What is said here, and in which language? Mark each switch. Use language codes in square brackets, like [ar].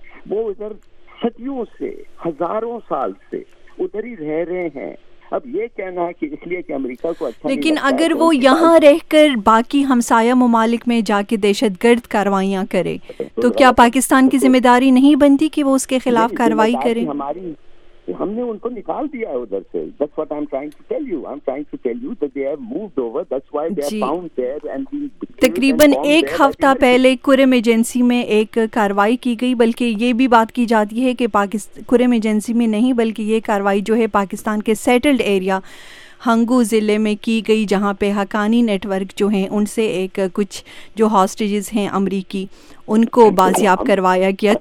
[ur] وہ ادھر صدیوں سے, ہزاروں سال سے ادھر ہی رہ رہے ہیں. اب یہ کہنا ہے کہ اس لیے کہ امریکہ کو اچھا, لیکن اگر وہ یہاں رہ کر باقی ہمسایہ ممالک میں جا کے دہشت گرد کاروائیاں کرے تو کیا پاکستان کی ذمہ داری نہیں بنتی کہ وہ اس کے خلاف کاروائی کرے؟ ہماری, ہم نے ان کو نکال دیا ہے ادھر سے. [en] That's what I'm trying to tell you. I'm trying to tell you that they have moved over. That's why they are found there and [ur] تقریباً ایک ہفتہ پہلے کرم ایجنسی میں ایک کاروائی کی گئی, بلکہ یہ بھی بات کی جاتی ہے کہ کرم ایجنسی میں نہیں بلکہ یہ کاروائی جو ہے پاکستان کے سیٹلڈ ایریا ہنگو ضلع میں کی گئی, جہاں پہ حقانی نیٹ ورک جو ہیں ان سے ایک کچھ جو ہاسٹیجز ہیں امریکی ان کو بازیاب کروایا گیا.